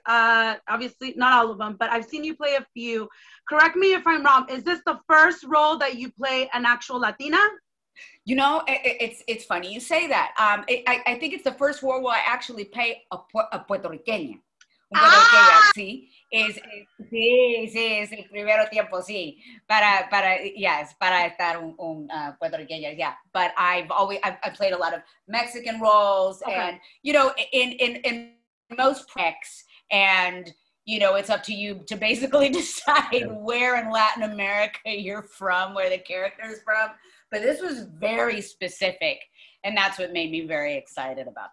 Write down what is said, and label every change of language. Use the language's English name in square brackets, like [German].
[English] Obviously, not all of them, but I've seen you play a few. Correct me if I'm wrong. Is this the first role that you play an actual Latina? You know, it's funny you say that. I think it's the first role where I actually play a puertorriqueña. [Spanish] Sí, es el primero tiempo, sí. Para estar un puertorriqueño, yeah. [English] But I've played a lot of Mexican roles, okay. And you know, in most pricks, and you know, it's up to you to basically decide where in Latin America you're from, where the character is from. But this was very specific. And that's what made me very excited about